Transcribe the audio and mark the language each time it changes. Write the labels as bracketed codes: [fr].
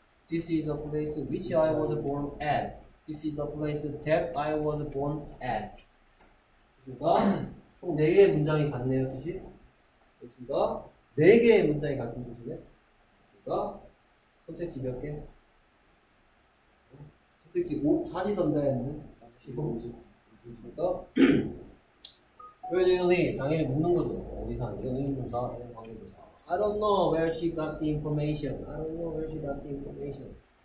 [en] This is the place which I was born at. This is the place that I was born at. [ko] 됐습니까? 총 네 개의 문장이 같네요, 뜻이. 됐습니까? 네 개의 문장이 같은 뜻이네. 됐습니까? 선택지 몇 개? 선택지 5? 사지선다였네. 됐습니까? [en] Where do you live? [ko] 당연히 묻는 거죠. 어디 사는 거죠? 이건 의문사, 이건 관계조사. [en] I don't know where she got the information. I don't know where she got the information.